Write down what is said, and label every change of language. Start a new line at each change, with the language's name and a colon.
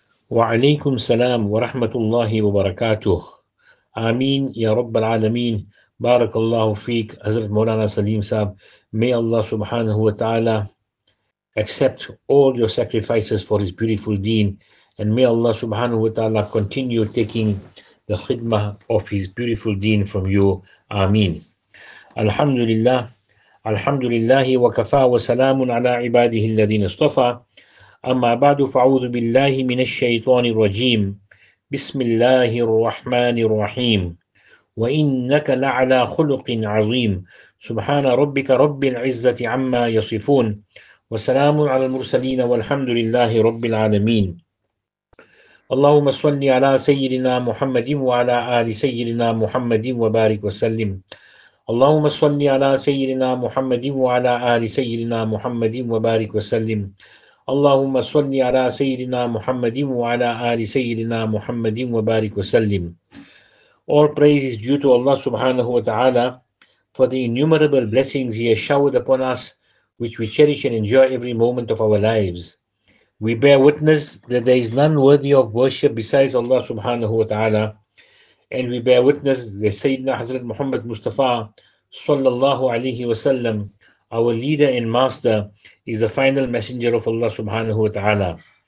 Arabic: وعليكم السلام ورحمة الله وبركاته. آمين يا رب العالمين. بارك الله فيك حضرت مولانا سليم صاحب.
English: May Allah subhanahu wa ta'ala accept all your sacrifices for his beautiful deen. And may Allah subhanahu wa ta'ala continue taking the khidmah of his beautiful deen from you.
Arabic: Ameen. Alhamdulillah. Alhamdulillahi wa kafa wa salamun ala ibadihi alladhin istafa. أما بعد فأعوذ بالله من الشيطان الرجيم بسم الله الرحمن الرحيم وإنك لعلى خلق عظيم سبحان ربك رب العزة عما يصفون وسلام على المرسلين والحمد لله رب العالمين اللهم صل على سيدنا محمد وعلى آل سيدنا محمد وبارك وسلم اللهم صل على سيدنا محمد وعلى آل سيدنا محمد وبارك وسلم اللهم صل على سيدنا محمد وعلى آل سيدنا محمد وبارك وسلم.
English: All praise is due to Allah subhanahu wa ta'ala for the innumerable blessings He has showered upon us, which we cherish and enjoy every moment of our lives. We bear witness that there is none worthy of worship besides Allah subhanahu wa ta'ala, and we bear witness that Sayyidina Hazrat Muhammad Mustafa sallallahu alayhi wa sallam, our leader and master, is the final messenger of Allah subhanahu wa ta'ala.